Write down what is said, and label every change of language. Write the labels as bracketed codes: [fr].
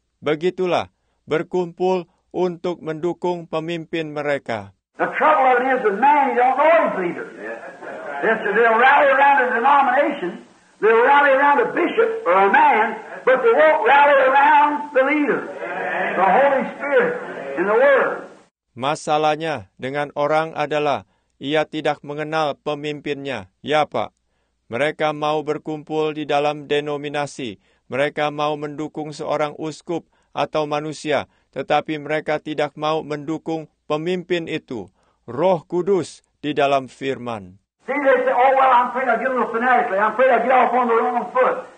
[id] Begitulah, berkumpul untuk mendukung pemimpin mereka. [en] The trouble of it is with man, he don't know his leader. Yeah. They'll rally around a denomination, they'll rally around a bishop or a man, but they won't rally around the leader, the Holy Spirit and the Word. [id] Masalahnya dengan orang adalah ia tidak mengenal pemimpinnya. Ya, Pak. Mereka mau berkumpul di dalam denominasi. Mereka mau mendukung seorang uskup atau manusia. Tetapi mereka tidak mau mendukung pemimpin itu. Roh Kudus di dalam firman. [en] See, they say, oh, well, I'm afraid I get a little fanatically. I'm afraid I get off on the wrong foot.